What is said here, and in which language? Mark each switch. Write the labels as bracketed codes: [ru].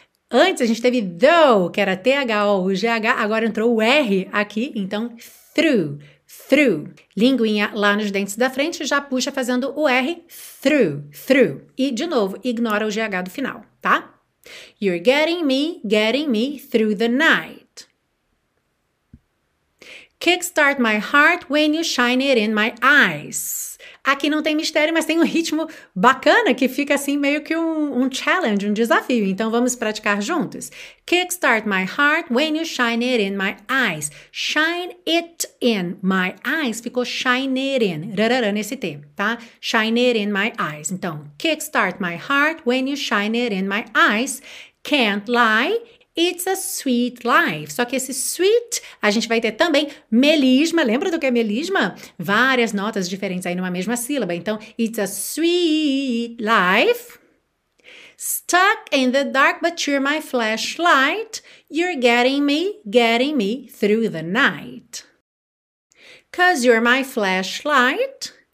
[pt] Antes a gente teve though, que era T-H-O, o G-H, agora entrou o R aqui, então through, through. Linguinha lá nos dentes da frente, já puxa fazendo o R, through, through. E, de novo, ignora o G-H do final, tá? [en] You're getting me through the night. Kickstart my heart when you shine it in my eyes. [pt] Aqui não tem mistério, mas tem um ritmo bacana que fica assim meio que um challenge, um desafio. Então vamos praticar juntos. [en] Kickstart my heart when you shine it in my eyes. Shine it in my eyes. Ficou shine it in. Rarara nesse T, tá? Shine it in my eyes. Então, kickstart my heart when you shine it in my eyes. Can't lie. It's a sweet life. [pt] Só que esse sweet, a gente vai ter também melisma. Lembra do que é melisma? Várias notas diferentes aí numa mesma sílaba. [en] Então, it's a sweet life. Stuck in the dark, but you're my flashlight. You're getting me through the night. 'Cause you're my flashlight.